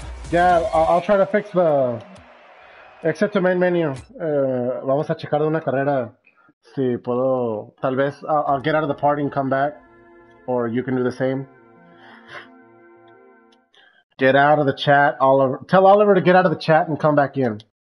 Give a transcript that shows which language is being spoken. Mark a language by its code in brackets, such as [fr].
[en] Yeah, I'll try to fix the exit to main menu. [es] Vamos a checar de una carrera si puedo. Tal vez [en] I'll get out of the party and come back, or you can do the same. Get out of the chat, Oliver. Tell Oliver to get out of the chat and come back in.